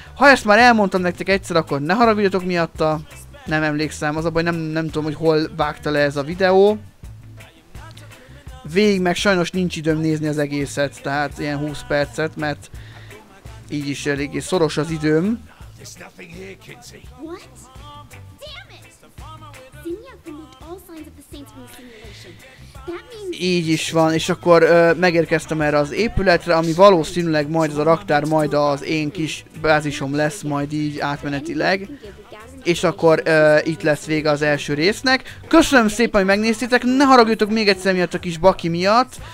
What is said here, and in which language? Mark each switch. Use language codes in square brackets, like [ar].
[hu] Ha ezt már elmondtam nektek egyszer, akkor ne haragudjatok miatta, nem emlékszem, az a baj, nem tudom, hogy hol vágta le ez a videó. Végig meg sajnos nincs időm nézni az egészet, tehát ilyen 20 percet, mert így is eléggé szoros az időm. [en] There's nothing here, Kinsey. What? Damn it! Zinnia removed all signs of the Saints from the simulation. [hu] Így is van, és akkor megérkeztem erre az épületre, ami valószínűleg majd az a raktár, majd az én kis bázisom lesz majd így átmenetileg. És akkor itt lesz vége az első résznek. Köszönöm szépen, hogy megnéztétek, ne haragudjatok még egyszer miatt a kis baki miatt.